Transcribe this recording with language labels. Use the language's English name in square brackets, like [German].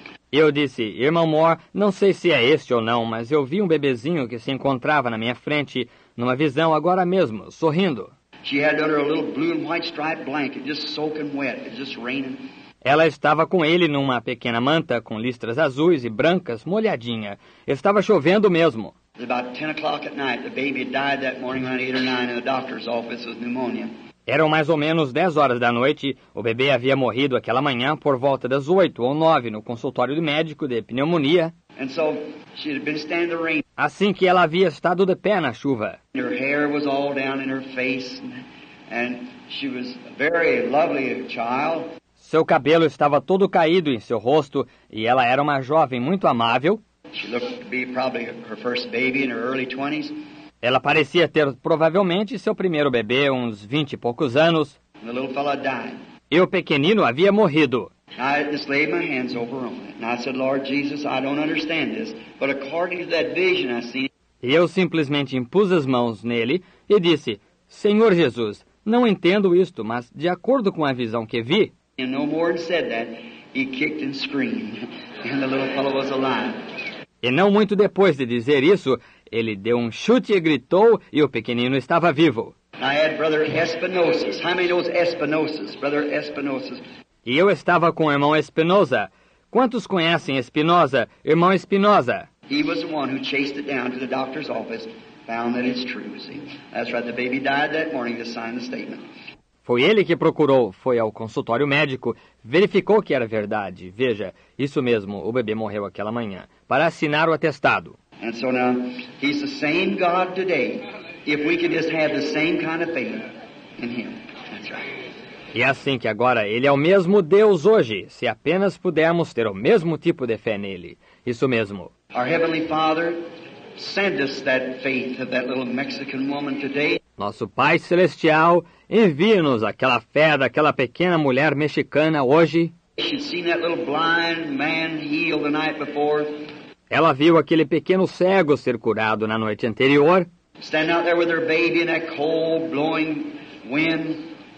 [Portuguese] Eu disse, irmão Moore, não sei se é este ou não, mas eu vi um bebezinho que se encontrava na minha frente numa visão agora mesmo, sorrindo. [English] She had under a little blue and white striped blanket, just soaking wet, just raining. [Portuguese] Ela estava com ele numa pequena manta com listras azuis e brancas, molhadinha. Estava chovendo mesmo. [English] It was about 10 o'clock at night, the baby had died that morning around 8 or 9 in the doctor's office with pneumonia. [Portuguese] Eram mais ou menos 10 horas da noite. O bebê havia morrido aquela manhã por volta das 8 ou 9 no consultório do médico de pneumonia. [English] And so she had been standing in the rain. [Portuguese] Assim que ela havia estado de pé na chuva. [English] Her hair was all down in her face and she was a very lovely child. [Portuguese] Seu cabelo estava todo caído em seu rosto e ela era uma jovem muito amável. [English] She looked to be probably her first baby in her early 20s. [Portuguese] Ela parecia ter provavelmente seu primeiro bebê, uns 20 e poucos anos. [English] And the little fellow died. [Portuguese] E o pequenino havia morrido. [English] I just laid my hands over on it. And I said, Lord Jesus, I don't understand this, but according to that vision I see. [Portuguese] E eu simplesmente impus as mãos nele e disse, Senhor Jesus, não entendo isto, mas de acordo com a visão que vi. [English] And no more said that. He kicked and screamed, and the little fellow was alive. [Portuguese] E não muito depois de dizer isso, ele deu um chute e gritou, e o pequenino estava vivo. [English] I had Brother Espinosa. How many knows Espinosa? Brother Espinosa. [Portuguese] E eu estava com o irmão Espinosa. Quantos conhecem Espinosa, irmão Espinosa? [English] He was the one who chased it down to the doctor's office, found that it's true, see? That's right, the baby died that morning to sign the statement. [Portuguese] Foi ele que procurou, foi ao consultório médico, verificou que era verdade. Veja, isso mesmo, o bebê morreu aquela manhã, para assinar o atestado. [English] And so now, he's the same God today, if we could just have the same kind of faith in him. That's right. [Portuguese] E assim que agora ele é o mesmo Deus hoje, se apenas pudermos ter o mesmo tipo de fé nele. Isso mesmo. [English] Our Heavenly Father sent us that faith of that little Mexican woman today. [Portuguese] Nosso Pai Celestial envia-nos aquela fé daquela pequena mulher mexicana hoje. [English] She'd seen that little blind man healed the night before. [Portuguese] Ela viu aquele pequeno cego ser curado na noite anterior. [English] Stand out there with her baby in that cold, blowing wind.